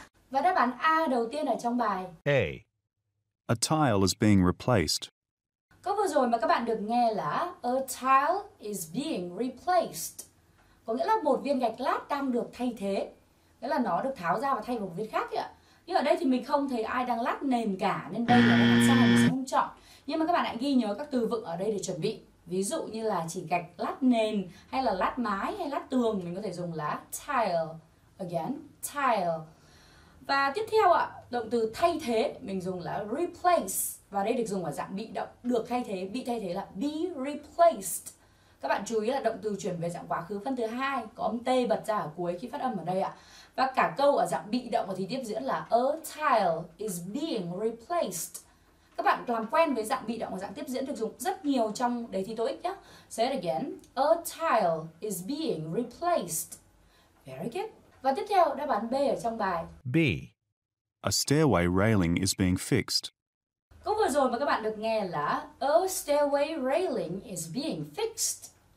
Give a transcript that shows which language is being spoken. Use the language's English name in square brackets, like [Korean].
[Vietnamese] Và đáp án A đầu tiên ở trong bài [English] A. A tile is being replaced. [Vietnamese] Câu vừa rồi mà các bạn được nghe là [English] a tile is being replaced, [Vietnamese] có nghĩa là một viên gạch lát đang được thay thế, nghĩa là nó được tháo ra và thay vào một viên khác ạ. Nhưng ở đây thì mình không thấy ai đang lát nền cả, nên đây là đáp án sai, mình sẽ không chọn. Nhưng mà các bạn hãy ghi nhớ các từ vựng ở đây để chuẩn bị. Ví dụ như là chỉ gạch lát nền hay là lát mái hay lát tường, mình có thể dùng là tile. [English] Again, tile. [Vietnamese] Và tiếp theo ạ, động từ thay thế mình dùng là replace. Và đây được dùng ở dạng bị động, được thay thế, bị thay thế là be replaced. Các bạn chú ý là động từ chuyển về dạng quá khứ phân thứ hai có âm T bật ra ở cuối khi phát âm ở đây ạ. Và cả câu ở dạng bị động thì tiếp diễn là [English] a tile is being replaced. [Vietnamese] Các bạn làm quen với dạng bị động và dạng tiếp diễn được dùng rất nhiều trong đề thi TOEIC nhé. [English] Say it again. A tile is being replaced. Very good. [Vietnamese] Và tiếp theo đáp án B ở trong bài. [English] B. A stairway railing is being fixed. [Vietnamese] Câu vừa rồi mà các bạn được nghe là [English] a stairway railing is being fixed.